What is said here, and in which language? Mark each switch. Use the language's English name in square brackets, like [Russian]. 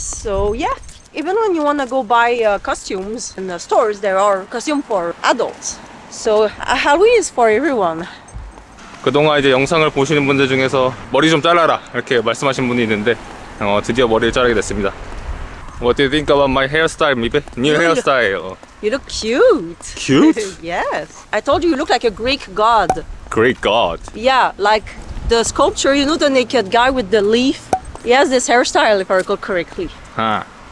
[English] So yeah, even when you wanna go buy costumes in the stores, there are costumes for adults. So Halloween is for everyone. [Korean] 그동안 이제 영상을 보시는 분들 중에서 머리 좀 잘라라 이렇게 말씀하신 분이 있는데 드디어 머리를 자르게 됐습니다. [English] What do you think about my hairstyle, Mibe? New hairstyle. You look cute. Cute? Yes. I told you you look like a Greek god. Greek god? Yeah, like the sculpture, you know the naked guy with the leaf? He has this hairstyle if I recall correctly. Huh.